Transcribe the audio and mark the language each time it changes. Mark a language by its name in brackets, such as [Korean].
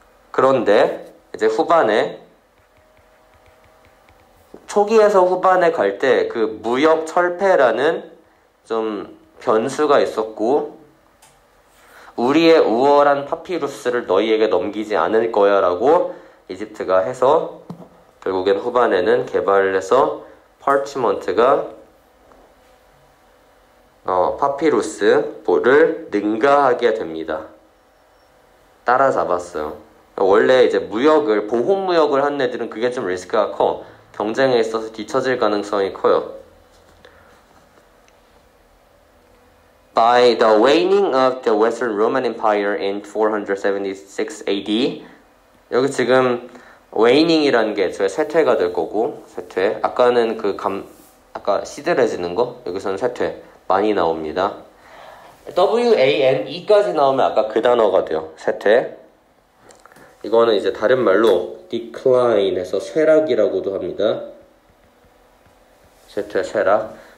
[Korean] 그런데 이제 후반에 초기에서 후반에 갈때그 무역 철폐라는 좀 변수가 있었고 우리의 우월한 파피루스를 너희에게 넘기지 않을 거야라고 이집트가 해서 결국엔 후반에는 개발을 해서 파르치먼트가 파피루스를 능가하게 됩니다. 따라잡았어요. 원래 이제 무역을, 보호 무역을 한 애들은 그게 좀 리스크가 커. 경쟁에 있어서 뒤처질 가능성이 커요. [English] By the waning of the Western Roman Empire in 476 AD. [Korean] 여기 지금 waning이라는 게 애초에 쇠퇴가 될 거고, 쇠퇴. 아까는 아까 시들해지는 거? 여기서는 쇠퇴. 많이 나옵니다. WANE까지 나오면 아까 그 단어가 돼요. 쇠퇴. 이거는 이제 다른 말로 decline에서 쇠락이라고도 합니다. 쇠퇴, 쇠락.